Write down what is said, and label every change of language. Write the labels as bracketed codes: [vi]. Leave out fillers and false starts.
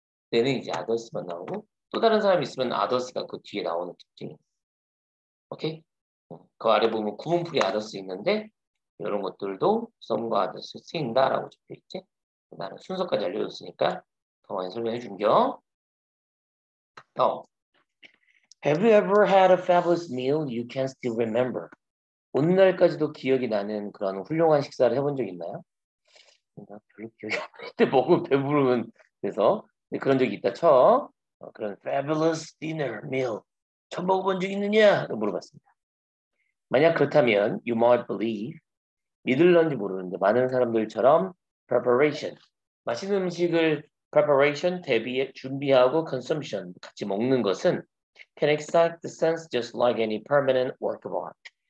[ko] 내는 이제 아더스만 나오고 또 다른 사람이 있으면 아더스가 그 뒤에 나오는 특징이. 오케이? 그 아래 보면 구분풀이 아더스 있는데 이런 것들도 썸과 아더스 쓰인다라고 적혀있지. 나는 순서까지 알려줬으니까 더 많이 설명해 준겨. [en] Have you ever had a fabulous meal you can still remember? [ko] 오늘날까지도 기억이 나는 그런 훌륭한 식사를 해본 적 있나요? 나 별로 기억이 안 나. 그때 먹은 배부르면 돼서 그런 적이 있다 쳐. 그런 [en] fabulous dinner meal [ko] 처음 먹어본 적 있느냐? 물어봤습니다. 만약 그렇다면 [en] you might believe [ko] 믿을런지 모르는데 많은 사람들처럼 [en] preparation [ko] 맛있는 음식을 [en] preparation [ko] 대비 준비하고 [en] consumption [ko] 같이 먹는 것은 [en] can excite the sense just like any permanent work of art.